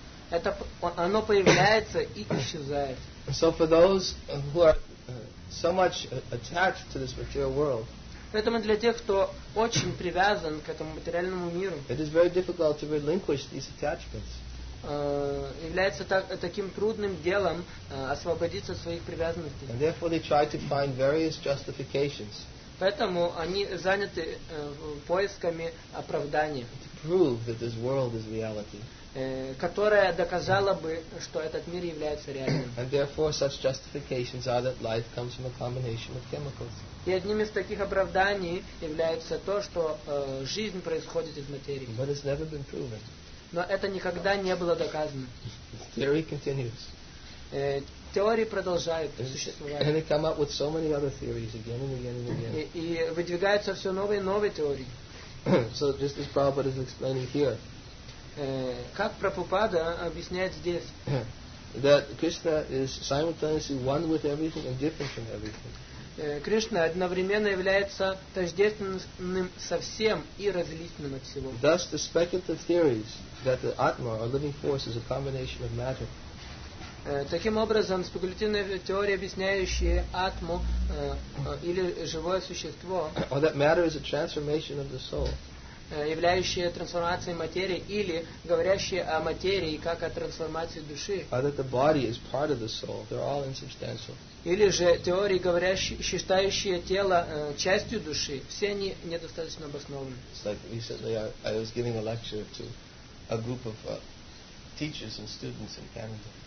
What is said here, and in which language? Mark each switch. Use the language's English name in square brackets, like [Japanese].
[Russian] Это оно появляется и исчезает. [English] So for those who are so much attached to this material world, [Russian] поэтому для тех, кто очень привязан к этому материальному миру, [English] it is very difficult to relinquish these attachments. [Russian] Является таким трудным делом освободиться от своих привязанностей. [English] And therefore they try to find various justifications. [Russian] Поэтому они заняты поисками оправдания. [English] To prove that this world is reality. [Russian] Которая доказала бы, что этот мир является реальным. [English] And therefore such justifications are that life comes from a combination of chemicals. [Russian] И одним из таких оправданий является то, что жизнь происходит из материи. [English] But it's never been proven. [Russian] Но это никогда не было доказано. [English] Theory continues. [Russian] Теории продолжают существовать. [English] And they come up with so many other theories again and again and again. [Russian] И выдвигаются все новые и новые теории. [English] So just as Prabhupada is explaining here. [Russian] Как Прабхупада объясняет здесь? [English] That Krishna is simultaneously one with everything and different from everything. [Russian] Кришна одновременно является тождественным со всем и различным от всего. [English] Thus the speculative theories that the Atma or living force is a combination of matter. [Russian] Таким образом, спекулятивные теории, объясняющие атму или живое существо, [English] or that matter is a transformation of the soul, [Russian] являющие трансформацией материи или говорящие о материи как о трансформации души, [English] or that the body is part of the soul, they're all insubstantial. [Russian] Или же теории, говорящие, считающие тело частью души, все они недостаточно обоснованы. [English] It's like recently I was giving a lecture to a group of teachers and students in Canada.